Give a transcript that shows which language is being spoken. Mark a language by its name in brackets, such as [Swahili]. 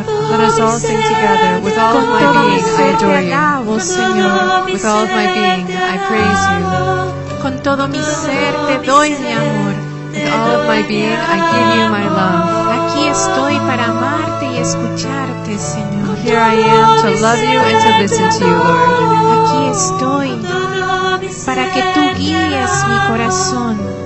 [English] Let us all sing together. With all of my being, I adore you. [Spanish] Señor. [English] With all of my being, I praise you. [Spanish] Con todo mi ser te doy mi amor. [English] With all of my being, I give you my love. [Spanish] Aquí estoy para amarte y escucharte, Señor. [English] Here I am to love you and to listen to you, Lord. [Spanish] Aquí estoy para que tú guíes mi corazón.